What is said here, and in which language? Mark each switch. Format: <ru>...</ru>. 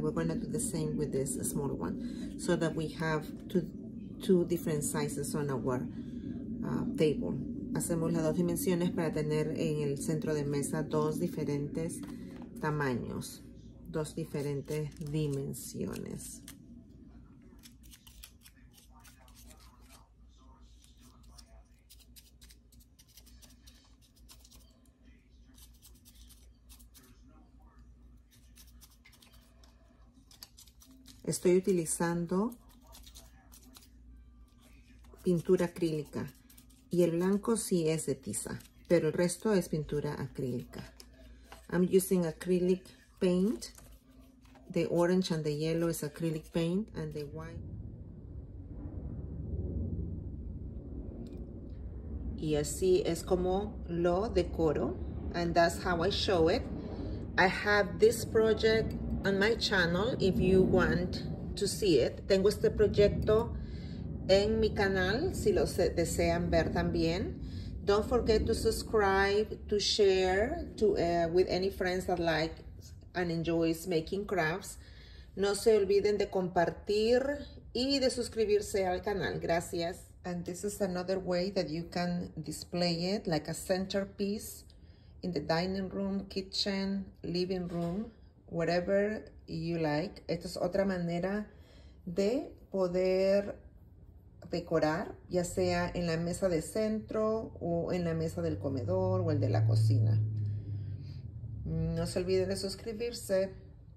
<en>We're going to do the same with this small one, so that we have two different sizes on our table.</en> <es>Hacemos las dos dimensiones para tener en el centro de mesa dos diferentes tamaños, dos diferentes dimensiones. Estoy utilizando pintura acrílica y el blanco sí es de tiza, pero el resto es pintura acrílica.</es> <en>I'm using acrylic paint. The orange and the yellow is acrylic paint and the white.</en> <es>Y así es como lo decoro.</es> <en>And that's how I show it. I have this project on my channel if you want to see it.</en> <es>Tengo este proyecto en mi canal si lo desean ver también.</es> <en>Don't forget to subscribe, to share to with any friends that like and enjoys making crafts.</en> <es>No se olviden de compartir y de suscribirse al canal. Gracias.</es> <en>And this is another way that you can display it, like a centerpiece in the dining room, kitchen, living room, whatever you like.</en> <es>Esta es otra manera de poder decorar, ya sea en la mesa de centro o en la mesa del comedor o el de la cocina. No se olviden de suscribirse.</es>